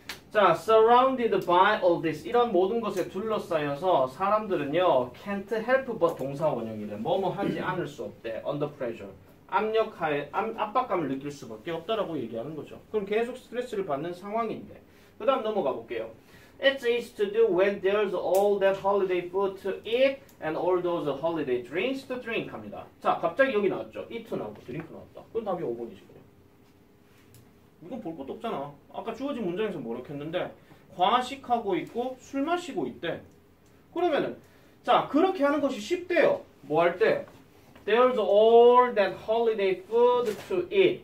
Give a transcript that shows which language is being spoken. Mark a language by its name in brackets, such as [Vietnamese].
[Korean] 자, [English] surrounded by all this [Korean] 이런 모든 것에 둘러싸여서 사람들은요 [English] can't help but [Korean] 동사 원형이래. 뭐뭐 하지 않을 수 없대. [English] under pressure [Korean] 압력하에 압박감을 느낄 수밖에 없다라고 얘기하는 거죠. 그럼 계속 스트레스를 받는 상황인데 그 다음 넘어가 볼게요. [English] It's easy to do when there's all that holiday food to eat and all those holiday drinks to drink [Korean] 합니다. 자, 갑자기 여기 나왔죠. eat 나왔고 drink 나왔다. 그건 답이 5번이시고 이건 볼 것도 없잖아. 아까 주어진 문장에서 뭐라고 했는데 과식하고 있고 술 마시고 있대. 그러면은 자 그렇게 하는 것이 쉽대요. 뭐 할 때 [English] There's all that holiday food to eat.